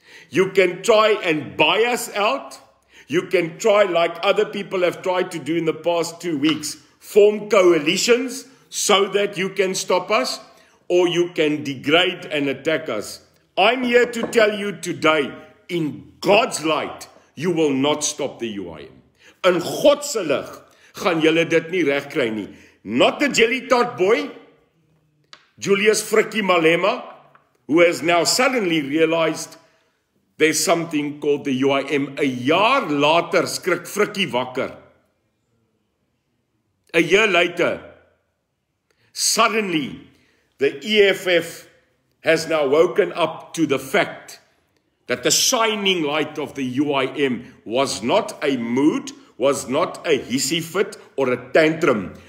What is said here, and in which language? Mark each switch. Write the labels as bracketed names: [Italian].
[English] You can try and buy us out. You can try, like other people have tried to do in the past 2 weeks, form coalitions so that you can stop us, or you can degrade and attack us. I'm here to tell you today, in God's light, you will not stop the UIM. [Afrikaans] In God se lig gaan julle dit nie reg kry nie. [English] Not the jelly tart boy, Julius Frikkie Malema, who has now suddenly realized there's something called the UIM. [Afrikaans] A jaar later skrik Frikkie wakker. [English] A year later, suddenly, the EFF has now woken up to the fact that the shining light of the UIM was not a mood, was not a hissy fit or a tantrum.